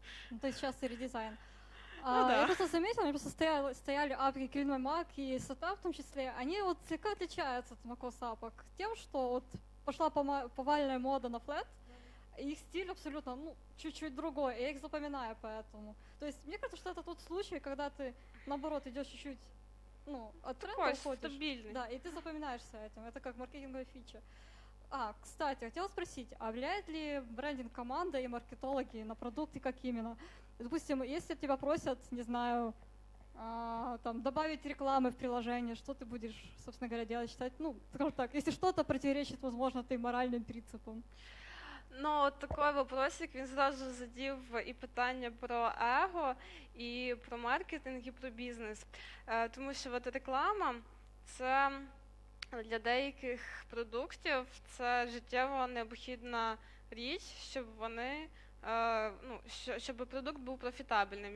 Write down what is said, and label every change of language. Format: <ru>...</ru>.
<uk>Ну, то зараз і редизайн.</uk> <ru>Я просто заметила, просто стояли апки Clean My Mac і SATA в тому числі, вони от слегка отличаються от MacOS-апок</ru> <uk>тим, що от пішла повальна мода на флет,</uk> <ru>их стиль абсолютно, ну, чуть-чуть другой, я их запоминаю поэтому. То есть мне кажется, что это тот случай, когда ты, наоборот, идешь чуть-чуть, ну, от тренда такой, уходишь. Такой, стабильный. Да, и ты запоминаешься этим, это как маркетинговая фича. А, кстати, хотела спросить, а влияет ли брендинг команды и маркетологи на продукты, как именно? Допустим, если тебя просят, не знаю, там, добавить рекламы в приложение, что ты будешь, собственно говоря, делать, считать? Ну, скажем так, если что-то противоречит, возможно, твоим моральным принципам.</ru> <uk>Ну, от такий вопросик, він зразу задів і питання про его, і про маркетинг, і про бізнес. Тому що от реклама – це для деяких продуктів, це життєво необхідна річ, щоб вони, ну, щоб продукт був профітабельним.</uk>